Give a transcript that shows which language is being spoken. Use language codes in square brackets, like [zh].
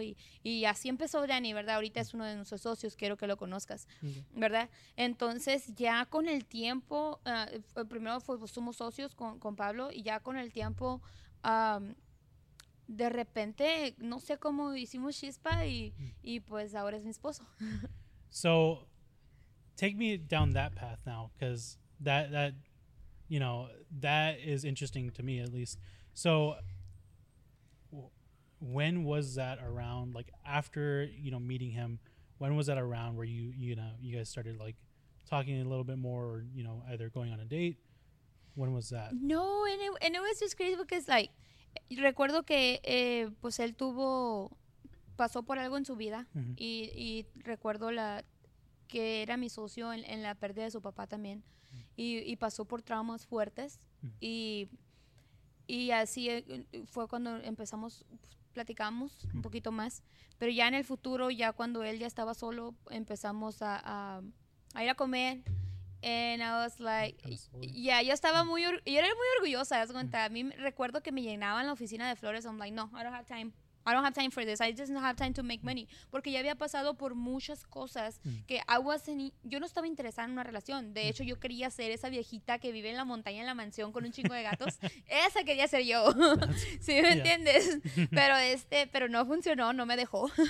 [es] Y así empezó Danny, ¿verdad? Ahorita es uno de nuestros socios, quiero que lo conozcas, ¿verdad? Entonces, ya con el tiempo, primero fuimos socios con Pablo y ya con el tiempo de repente, no sé cómo hicimos chispa y, y pues ahora es mi esposo. [en] So, take me down that path now, because that, that, you know, that is interesting to me at least. So, when was that around, like after, you know, meeting him, when was that around where you, you know, you guys started like talking a little bit more, or, you know, either going on a date? When was that? No, and it was just crazy because, like, [es] recuerdo que, pues, él tuvo, pasó por algo en su vida. Mm-hmm. Y recuerdo la, que era mi socio en la pérdida de su papá también. Mm-hmm. Y pasó por traumas fuertes. Mm-hmm. Y así fue cuando empezamos, platicamos mm-hmm. un poquito más. Pero ya en el futuro, ya cuando él ya estaba solo, empezamos a ir a comer. [en] And I was like, absolutely. Yeah, [es] yo estaba muy, yo era muy orgullosa, ¿sabes cuenta? A mí recuerdo que me llenaban la oficina de flores. [en] I'm like, no, I don't have time. I don't have time for this. I just don't have time to make money. [es] Porque ya había pasado por muchas cosas que [en] I wasn't, [es] yo no estaba interesada en una relación. De hecho, yo quería ser esa viejita que vive en la montaña, en la mansión con un chingo de gatos. Esa quería ser yo. ¿Sí me entiendes? Pero este, pero no funcionó, no me dejó.